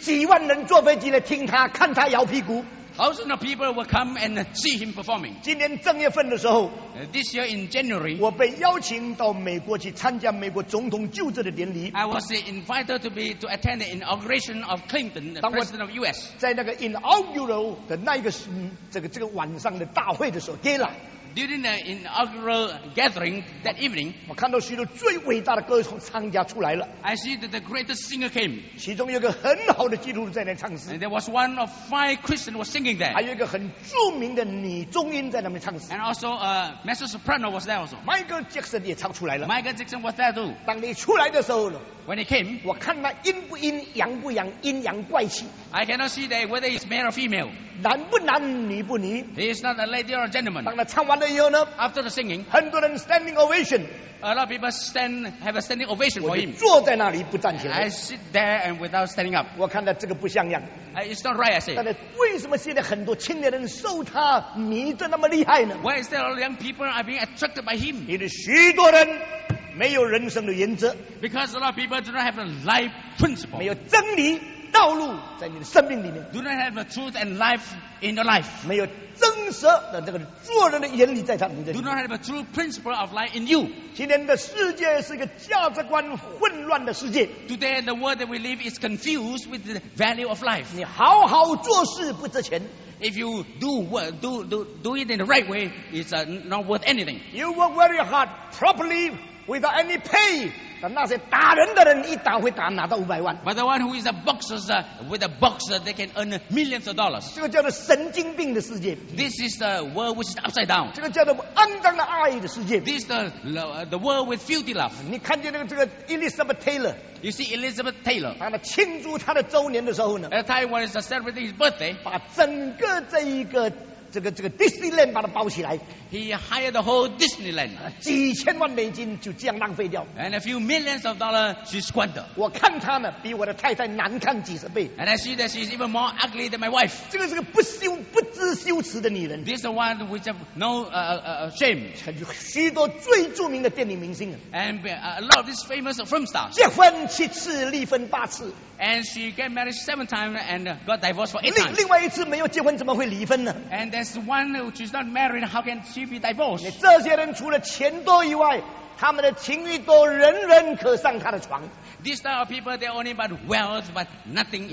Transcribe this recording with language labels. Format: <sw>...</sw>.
<zh>几万人坐飞机来听他，看他摇屁股。</zh> <en>Thousands of people will come and see him performing.</en> <zh>今年正月份的时候</zh> <en>，This year in January,</en> <zh>我被邀请到美国去参加美国总统就职的典礼。</zh> <en>I was invited to attend the inauguration of Clinton, the president of U.S.</en> <zh>在那个 inaugural 的那一个这个晚上的大会的时候 ，gala。</zh> <en>During the inaugural gathering that evening,</en> <zh>我看到许多最伟大的歌手参加出来了。</zh> <en>I see that the greatest singer came.</en> <zh>其中有个很好的基督徒在那唱诗。</zh> <en>And there was one of five Christians was singing there.</en> <zh>还有一个很著名的女中音在那边唱诗。</zh> <en>And also a mezzo soprano was there also.</en> <zh>Michael Jackson 也唱出来了。</zh> <en>Michael Jackson was there too.</en> <zh>当你出来的时候</zh> <en>When he came,</en> <zh>我看他阴不阴，阳不阳，阴阳怪气。</zh> <en>I cannot see that whether he's male or female.</en> <zh>男不男，女不女。</zh> <en>He is not a lady or a gentleman.</en> <zh>当他唱完了。完了以后呢,</zh> <en>After the singing,</en> <zh>很多人</zh> <en>standing ovation. A lot of people stand, have a standing ovation for him.</en> <zh>我就坐在那里不站起来。</zh> <en>I sit there and without standing up.</en> <zh>我看到这个不像样。</zh> <en>It's not right, I say.</en> <zh>但是为什么现在很多青年人受他迷得那么厉害呢?</zh> <en>Why is there all young people are being attracted by him?</en> <zh>因为许多人 没有人生的原则,</zh> <en>because a lot of people do not have a life principle.</en> <zh>没有真理, 道路, 在你的生命里面,</zh> <en>do not have a truth and life in your life.</en> <zh>没有真实, 那这个做人的原理, 在他们的,</zh> <en>do not have a true principle of life in you.</en> <zh>今天的世界是一个价值观混乱的世界,</zh> <en>today the world that we live is confused with the value of life.</en> <zh>你好好做事不值钱,</zh> <en>if you do it in the right way, it's not worth anything. You work very hard properly without any pay,</en> <zh>但那些打人的人一打会打拿到500万。</zh> <en>But the one who is a boxer, with a boxer, they can earn millions of dollars.</en> <zh>这个叫做神经病的世界。</zh> <en>This is the world which is upside down.</en> <zh>这个叫做肮脏的爱的世界。</zh> <en>This is the world with filthy love.</en> <zh>你看见那个这个 Elizabeth Taylor.</zh> <en>You see Elizabeth Taylor.</en> <zh>她庆祝她的周年的时候呢,</zh> <en>at a time when she's celebrating his birthday,</en> <zh>把整个这一个 这个 Disneyland 把它包起来,</zh> <en>he hired the whole Disneyland.</en> <zh>几千万美金就这样浪费掉,</zh> <en>and a few millions of dollars she squandered.</en> <zh>我看她呢, 比我的太太难看几十倍,</zh> <en>and I see that she's even more ugly than my wife.</en> <zh>这个是个不知羞耻的女人,</zh> <en>this is the one which have no shame.</en> <zh>许多最著名的电影明星,</zh> <en>and a lot of these famous film stars,</en> <zh>结婚七次离婚八次,</zh> <en>and she got married 7 times and got divorced for 8 times.</en> <zh>另外一次没有结婚怎么会离婚呢?</zh> <en>And there's one who is not married, how can she be divorced?</en> <zh>这些人除了钱多以外, 他们的情欲多人人可上他的床。</zh> <en>These type of people, they're only about wealth, but nothing in</en>